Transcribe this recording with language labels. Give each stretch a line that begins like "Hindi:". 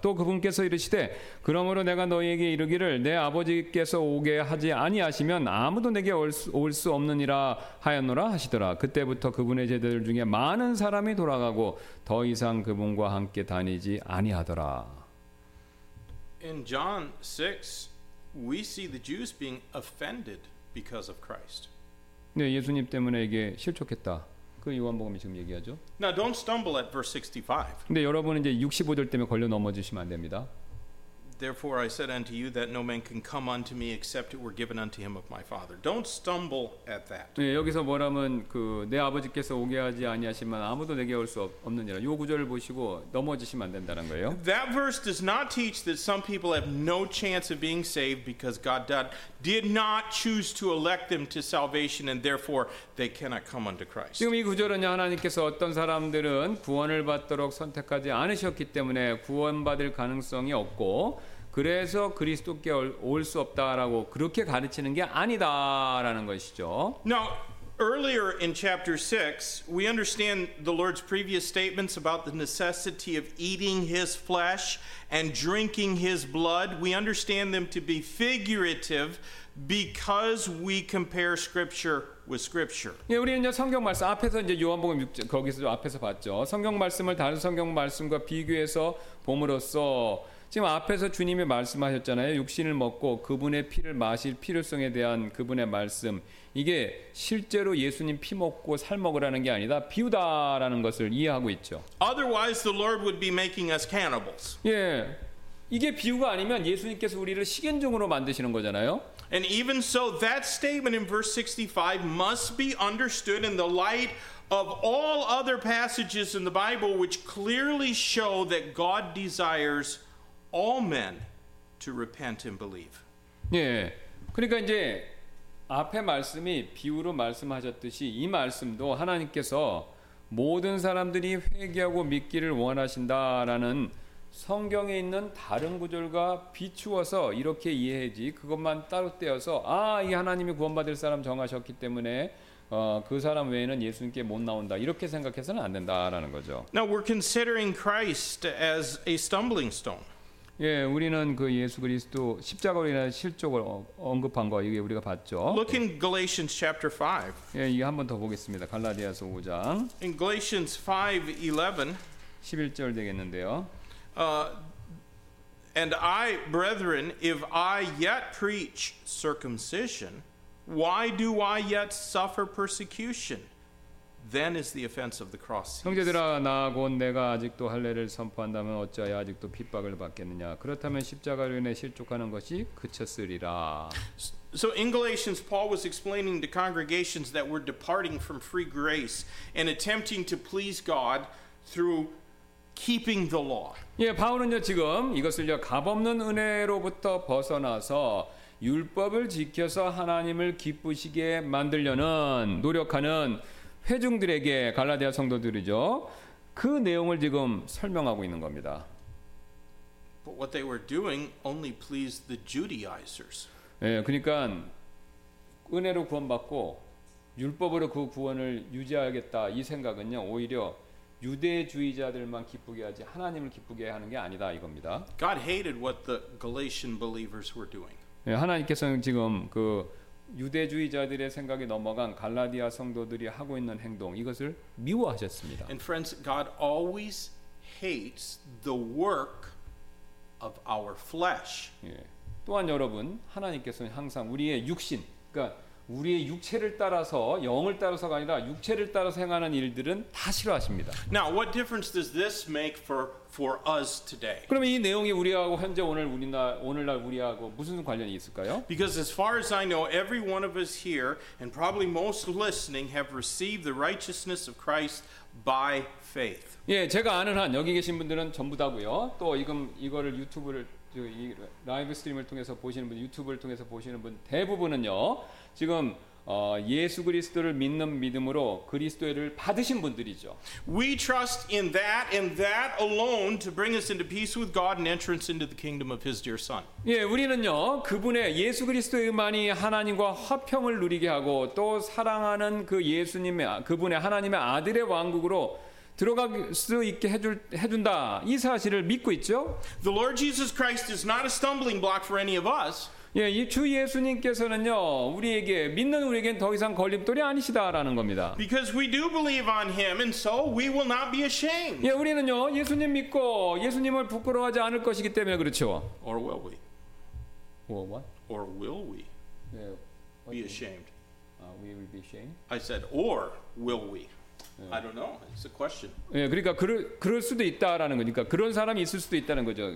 Korean: 또 그분께서 이르시되 그러므로 내가 너희에게 이르기를 내 아버지께서 오게 하지 아니하시면 아무도 내게 올 수 없느니라 하였노라 하시더라. 그때부터 그분의 제자들 중에 많은 사람이 돌아가고 더 이상 그분과 함께 다니지 아니하더라.
English: In John 6, we see the Jews being offended because of Christ.
Korean: 네, 예수님 때문에 이게 실족했다. 그 요한복음이 지금 얘기하죠.
English: Now don't stumble at verse 65.
Korean: 근데 여러분은 이제 65절 때문에 걸려 넘어지시면 안 됩니다.
English: Therefore I said unto you that no man can come unto me except it were given unto him of my Father. Don't stumble at that.
Korean: 네, 여기서 뭐라면 그 내 아버지께서 오게 하지 아니하시면 아무도 내게 올 수 없느니라. 요 구절을 보시고 넘어지시면 안 된다는 거예요.
English: That verse does not teach that some people have no chance of being saved because God did not choose to elect them to salvation and therefore they cannot come unto Christ.
Korean: 지금 이 구절은요, 하나님께서 어떤 사람들은 구원을 받도록 선택하지 않으셨기 때문에 구원받을 가능성이 없고 그래서 그리스도께 올 수 없다라고 그렇게 가르치는 게 아니다라는 것이죠.
English: Now, earlier in chapter 6, we understand the Lord's previous statements about the necessity of eating his flesh and drinking his blood. We understand them to be figurative because we compare scripture with scripture.
Korean: 예, 우리는요, 성경 말씀 앞에서 이제 요한복음 6장 거기서 앞에서 봤죠. 성경 말씀을 다른 성경 말씀과 비교해서 봄으로써 지금 앞에서 주님이 말씀하셨잖아요. 육신을 먹고 그분의 피를 마실 필요성에 대한 그분의 말씀. 이게 실제로 예수님 피 먹고 살 먹으라는 게 아니다. 비유다라는 것을 이해하고 있죠.
English: Otherwise the Lord would be making us cannibals.
Korean: 예. 이게 비유가 아니면 예수님께서 우리를 식인종으로 만드시는 거잖아요.
English: And even so that statement in verse 65 must be understood in the light of all other passages in the Bible which clearly show that God desires all men to repent and believe.
Korean: 예. 그러니까 이제 앞에 말씀이 비유로 말씀하셨듯이 이 말씀도 하나님께서 모든 사람들이 회개하고 믿기를 원하신다라는 성경에 있는 다른 구절과 비추어서 이렇게 이해해지 그것만 따로 떼어서 아, 이 하나님이 구원받을 사람 정하셨기 때문에 그 사람 외에는 예수님께 못 나온다 이렇게 생각해서는 안 된다라는 거죠.
English: Now we're considering Christ as a stumbling stone.
Korean: 예, 우리는 그 예수 그리스도 십자가 위에 실족을 언급한 거 이게 우리가 봤죠.
English: Look in Galatians chapter 5.
Korean: 예, 이거 한 번 더 보겠습니다. 갈라디아서 5장.
English: In Galatians 5:11.
Korean: 11절 되겠는데요.
English: And I, brethren, if I yet preach circumcision, why do I yet suffer persecution? Then is the offense of the cross.
Korean: 형제들아, 나 곧 내가 아직도 할례를 선포한다면 어찌하여 아직도 핍박을 받겠느냐? 그렇다면 십자가로 인해 실족하는 것이 그쳤으리라.
English: So in Galatians, Paul was explaining to congregations that were departing from free grace and attempting to please God through keeping the law.
Korean: 예, 바울은요 지금 이것을요 값없는 은혜로부터 벗어나서 율법을 지켜서 하나님을 기쁘시게 만들려는 노력하는 회중들에게 갈라디아 성도들이죠. 그 내용을 지금 설명하고 있는 겁니다.
English: But what they were doing only pleased the Judaizers.
Korean: 예, 그러니까 은혜로 구원받고 율법으로 그 구원을 유지하겠다 이 생각은요. 오히려 유대주의자들만 기쁘게 하지 하나님을 기쁘게 하는 게 아니다 이겁니다.
English: God hated what the Galatian believers were doing.
Korean: 예, 하나님께서는 지금 그 유대주의자들의 생각이 넘어간 갈라디아 성도들이 하고 있는 행동 이것을 미워하셨습니다.
English: And friends, God always hates the work of our flesh.
Korean: 또한 여러분, 하나님께서는 항상 우리의 육신, 그러니까 우리의 육체를 따라서 영을 따라서가 아니라 육체를 따라서 행하는 일들은 다 싫어하십니다.
English: Now, what difference does this make for us today?
Korean: 그럼 이 내용이 우리하고 현재 오늘 우리나 오늘날 우리하고 무슨 관련이 있을까요?
English: Because as far as I know, every one of us here and probably most listening have received the righteousness of Christ by faith.
Korean: 예, 제가 아는 한 여기 계신 분들은 전부 다고요. 또 지금 이거를 유튜브를 이 라이브 스트림을 통해서 보시는 분, 유튜브를 통해서 보시는 분 대부분은요. 지금 예수 그리스도를 믿는 믿음으로 그리스도를 받으신 분들이죠.
English: We trust in that and that alone to bring us into peace with God and entrance into the kingdom of His dear Son.
Korean: 예, 우리는요 그분의 예수 그리스도만이 하나님과 화평을 누리게 하고 또 사랑하는 그 예수님의 그분의 하나님의 아들의 왕국으로 들어갈 수 있게 해준다 이 사실을 믿고 있죠.
English: The Lord Jesus Christ is not a stumbling block for any of us.
Korean: 예, 이 주 예수님께서는요 우리에게 믿는 우리에겐 더 이상 걸림돌이 아니시다라는 겁니다.
English: Because we do believe on Him, and so we will not be ashamed.
Korean: 예, 우리는요 예수님 믿고 예수님을 부끄러워하지 않을 것이기 때문에 그렇죠.
English: Or will we? Or what? Or will we? Yeah, be ashamed. We will be ashamed. I said, or will we? I don't know. It's a question.
Korean: 예, 그러니까 그럴 수도 있다라는 거니까 그런 사람이 있을 수도 있다는 거죠.